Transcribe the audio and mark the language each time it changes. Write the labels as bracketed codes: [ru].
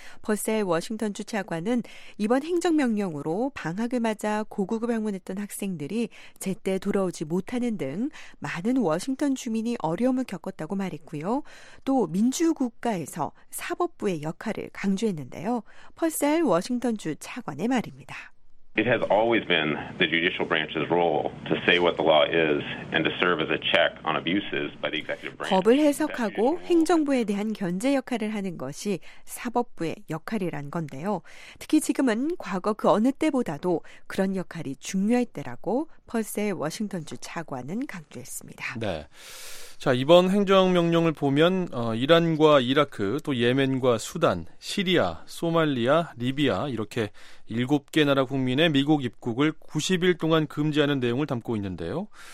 [ko] 퍼셀 워싱턴주 차관은 이번 행정명령으로 방학을 맞아 고국을 방문했던 학생들이 제때 돌아오지 못하는 등 많은 워싱턴 주민이 어려움을 겪었다고 말했고요. 또 민주국가에서 사법부의 역할을 강조했는데요. 퍼셀 워싱턴주 차관의 말입니다. [en] It has always been the judicial branch's role to say what the law is and to serve as a check on abuses by the executive branch. [ko] 법을 해석하고 행정부에 대한 견제 역할을 하는 것이 사법부의 역할이란 건데요. 특히 지금은 과거 그 어느 때보다도 그런 역할이 중요할 때라고 퍼셀 워싱턴주 차관은 강조했습니다. 네. 자, 이번 행정명령을 보면 이란과 이라크, 또 예멘과 수단, 시리아, 소말리아, 리비아 이렇게 7개 나라 국민의 미국 입국을 90일 동안 금지하는 내용을 담고 있는데요.